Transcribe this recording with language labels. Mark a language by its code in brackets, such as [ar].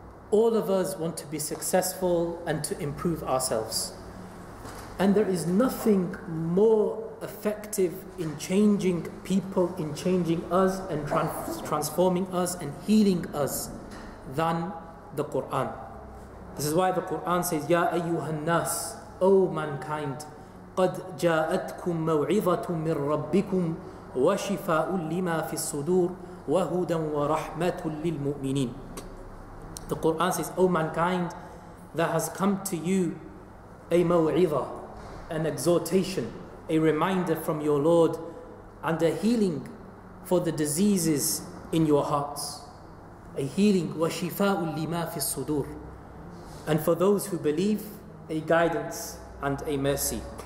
[en] All of us want to be successful and to improve ourselves. And there is nothing more effective in changing people, in changing us and transforming us and healing us than the Quran. This is why the Quran says, [ar] Ya ayyuhan nas, [en] O mankind, [ar] قَدْ جَاءَتْكُمْ مَوْعِظَةٌ مِّن رَبِّكُمْ وَشِفَاءٌ لِّمَا فِي الصُّدُورِ وَهُدًى وَرَحْمَةٌ لِّلْمُؤْمِنِينَ. [en] The Quran says, O mankind, there has come to you a maw'idha, an exhortation, a reminder from your Lord, and a healing for the diseases in your hearts. A healing, [ar] wa shifa'un lima fi sudur. [en] And for those who believe, a guidance and a mercy.